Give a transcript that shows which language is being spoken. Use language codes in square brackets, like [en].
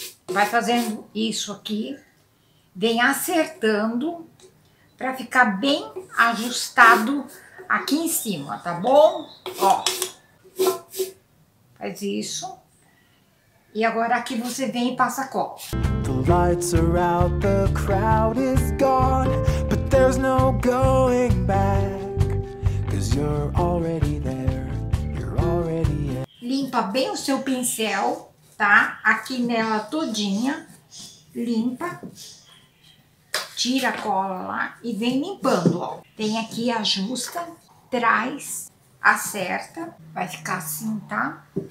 [pt] Vai fazendo isso aqui, vem acertando pra ficar bem ajustado aqui em cima, tá bom? Ó, faz isso. E agora aqui você vem e passa a cola. [en] The lights are out, the crowd is gone, but there's no going back, 'cause you're already there, you're already there. [pt] Limpa bem o seu pincel, tá? Aqui nela todinha, limpa, tira a cola lá e vem limpando, ó. Tem aqui, ajusta, traz, acerta, vai ficar assim, tá?